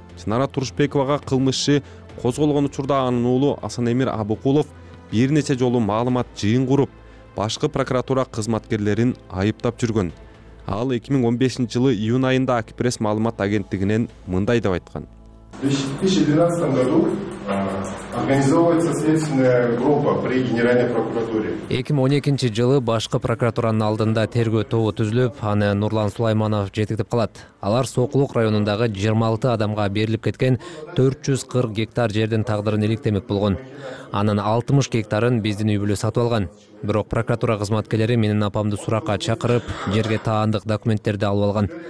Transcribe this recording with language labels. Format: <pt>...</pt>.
<ky>Чынара Турушбековага кылмышы козголгон учурда анын уулу Асан Эмир Абыкулов бир нече жолу маалымат жыйын куруп, башкы прокуратура кызматкерлерин айыптап жүргөн. Ал 2015-жылы июнь айында Акпресс маалымат агенттигинен мындай деп айткан.</ky> <ru>В 2012 году организовывается следственная группа при Генеральной прокуратуре.</ru> <ky>2012 жылы башкы прокуратуранын алдында тергөө тобу түзүлүп, аны Нурлан Сулайманов жетектеп калат. Алар Сокулук районундагы 26 адамга берилип кеткен 440 гектар жердин тагдырын иликтемек болгон. Анын 60 гектарын биздин үй бүлө сатып алган. Бирок прокуратура кызматкерлери менин апамды суракка чакырып, жерге таандык документтерди алып алган.</ky>